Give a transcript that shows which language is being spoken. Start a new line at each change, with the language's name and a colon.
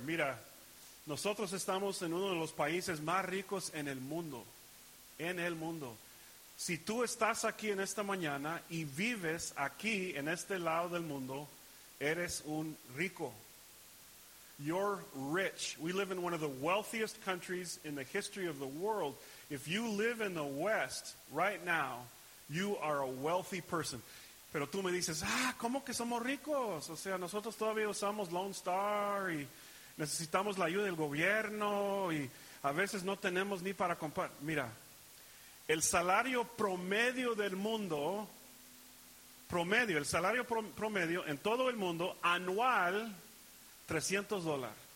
Spanish: Mira, nosotros estamos en uno de los países más ricos en el mundo. En el mundo. Si tú estás aquí en esta mañana y vives aquí en este lado del mundo, eres un rico.
English: You're rich. We live in one of the wealthiest countries in the history of the world. If you live in the West right now, you are a wealthy person.
Spanish: Pero tú me dices, ah, ¿cómo que somos ricos? O sea, nosotros todavía usamos Lone Star y necesitamos la ayuda del gobierno y a veces no tenemos ni para comprar. Mira, el salario promedio del mundo, el salario promedio en todo el mundo anual, $300.